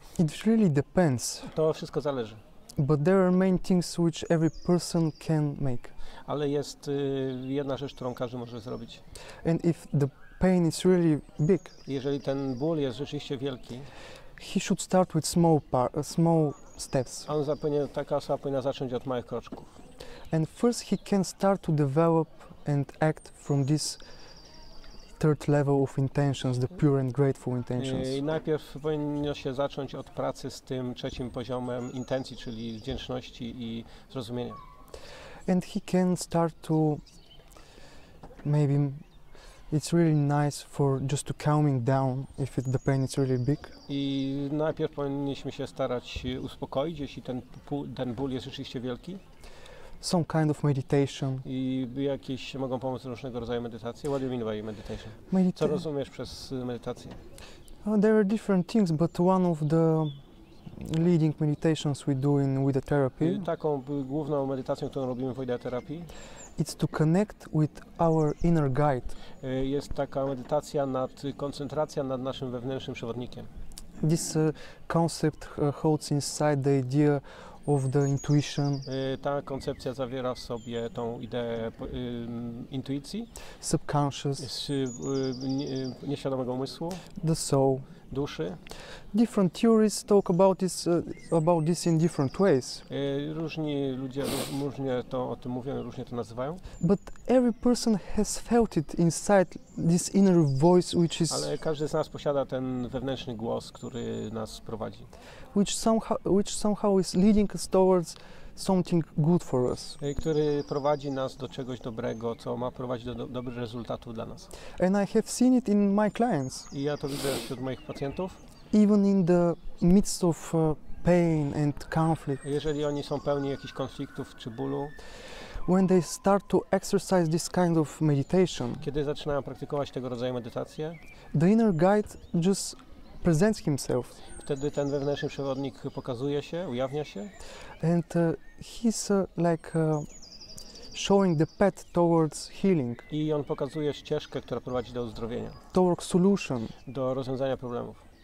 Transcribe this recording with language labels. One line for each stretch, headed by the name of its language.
English: It really depends.
Polish: To wszystko zależy.
English: But there are main things which every person can make.
Polish: Ale jest jedna rzecz, którą każdy może zrobić.
English: And if the pain is really big,
Polish: jeżeli ten ból jest rzeczywiście wielki,
English: he should start with small steps.
Polish: On zapewne taka osoba powinna zacząć od małych kroczków.
English: And first he can start to develop and act from this third level of intentions, the pure and grateful intentions.
Polish: I najpierw powinno się zacząć od pracy z tym trzecim poziomem intencji, czyli wdzięczności i zrozumienia.
English: And he can start to, maybe it's really nice for just to calming down if the pain is really big.
Polish: I najpierw powinniśmy się starać uspokoić, jeśli ten ból jest rzeczywiście wielki.
English: Some kind of meditation.
Polish: I jakieś mogą pomóc różnego rodzaju medytacje.
English: What do you mean by meditation?
Polish: Co rozumiesz przez medytację?
English: There are different things, but one of the leading meditations we do in Vida Therapy.
Polish: Taką główną medytacją, którą robimy w Vida Therapy.
English: It's to connect with our inner guide.
Polish: Jest taka medytacja nad koncentracja nad naszym wewnętrznym przewodnikiem.
English: This concept holds inside the idea of the intuition.
Polish: Ta koncepcja zawiera w sobie tą ideę intuicji,
English: subconscious,
Polish: nieświadomego umysłu,
English: the soul,
Polish: duszy.
English: Different theories talk about this in different ways.
Polish: Różni ludzie różnie to o tym mówią, różnie to nazywają.
English: But every person has felt it inside this inner voice, which is.
Polish: Ale każdy z nas posiada ten wewnętrzny głos, który nas prowadzi.
English: Which somehow is leading us towards something good for us.
Polish: Który prowadzi nas do czegoś dobrego, co ma prowadzić do dobrych rezultatów dla nas.
English: And I have seen it in my clients.
Polish: I ja to widzę wśród moich pacjentów.
English: Even in the midst of pain and conflict.
Polish: Jeżeli oni są pełni jakichś konfliktów czy bólu.
English: When they start to exercise this kind of meditation.
Polish: Kiedy zaczynają praktykować tego rodzaju medytację.
English: The inner guide just presents himself.
Polish: Wtedy ten wewnętrzny przewodnik pokazuje się, ujawnia się.
English: And he's showing the path towards healing.
Polish: I on pokazuje ścieżkę, która prowadzi do uzdrowienia.
English: Towards solution.
Polish: Do rozwiązania problemów.